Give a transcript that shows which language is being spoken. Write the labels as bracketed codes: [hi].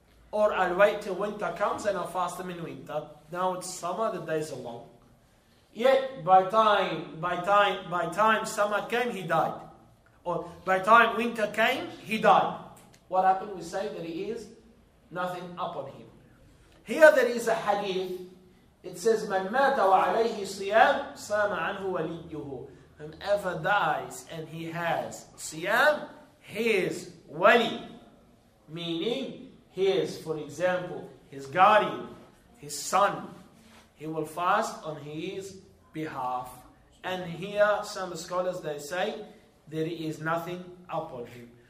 [en] Or I'll wait till winter comes and I'll fast them in winter. Now it's summer, the days are long. Yet, by time summer came, he died. Or by time winter came, he died. What happened? We say there is nothing upon him. Here there is a hadith. It says, [ar] مَنْ مَاتَ وَعَلَيْهِ صِيَامْ سَامَ عَنْهُ وَلِيُّهُ. [en] Whoever dies and he has siyam, his wali. Meaning, his, for example, his guardian, his son, he will fast on his behalf. And here some scholars, they say, there is nothing upon him.